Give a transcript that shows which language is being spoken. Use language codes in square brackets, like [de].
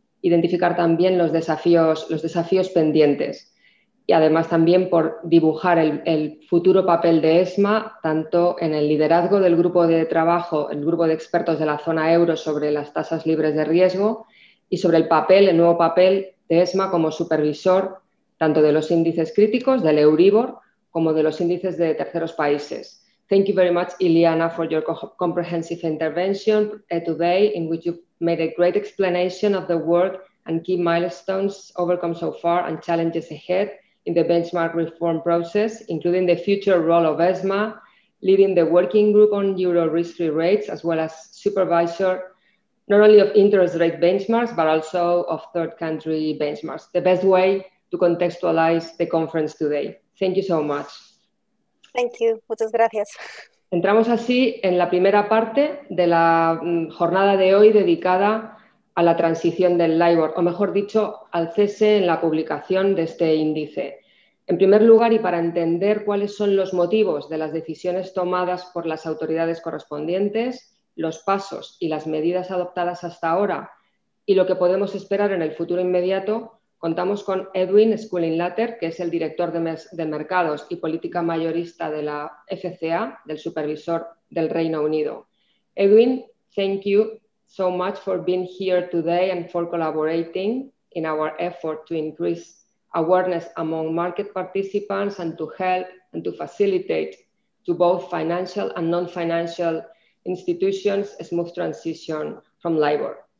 [es] identificar también los desafíos pendientes y además también por dibujar el futuro papel de ESMA, tanto en el liderazgo del grupo de trabajo, el grupo de expertos de la zona euro sobre las tasas libres de riesgo y sobre el nuevo papel de ESMA como supervisor tanto de los índices críticos, del Euribor, como de los índices de terceros países. [en] Thank you very much, Ileana, for your comprehensive intervention today, in which you made a great explanation of the work and key milestones overcome so far and challenges ahead in the benchmark reform process, including the future role of ESMA, leading the working group on euro risk-free rates, as well as supervisor not only of interest rate benchmarks, but also of third country benchmarks. The best way to contextualize the conference today. Thank you so much. Thank you. [es] Muchas gracias. Entramos así en la primera parte de la jornada de hoy dedicada a la transición del LIBOR, o mejor dicho, al cese en la publicación de este índice. En primer lugar, y para entender cuáles son los motivos de las decisiones tomadas por las autoridades correspondientes, los pasos y las medidas adoptadas hasta ahora y lo que podemos esperar en el futuro inmediato, contamos con Edwin Schooling-Latter, que es el director de Mercados y Política Mayorista de la FCA, del Supervisor del Reino Unido. [en] Edwin, thank you so much for being here today and for collaborating in our effort to increase awareness among market participants and to help and to facilitate to both financial and non-financial institutions a smooth transition from LIBOR.